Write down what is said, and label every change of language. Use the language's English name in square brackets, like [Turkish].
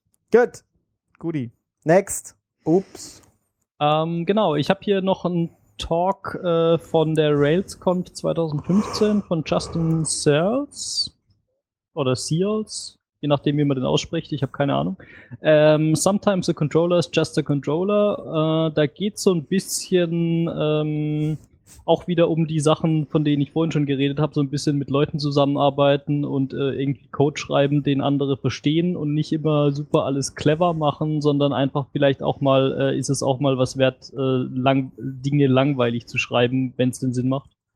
[German] Gut. [English] Goodie. Next. [German] Ups. Genau, ich habe hier noch einen Talk von der RailsConf 2015 von Justin Searles. Oder Searles. Je nachdem, wie man den ausspricht. Ich habe keine Ahnung. [English] Sometimes a controller is just a controller. [German] Da geht es so ein bisschen auch wieder um die Sachen, von denen ich vorhin schon geredet habe. So ein bisschen mit Leuten zusammenarbeiten und irgendwie Code schreiben, den andere verstehen und nicht immer super alles clever machen, sondern einfach vielleicht auch mal, ist es auch mal was wert, Dinge langweilig zu schreiben, wenn es den Sinn macht.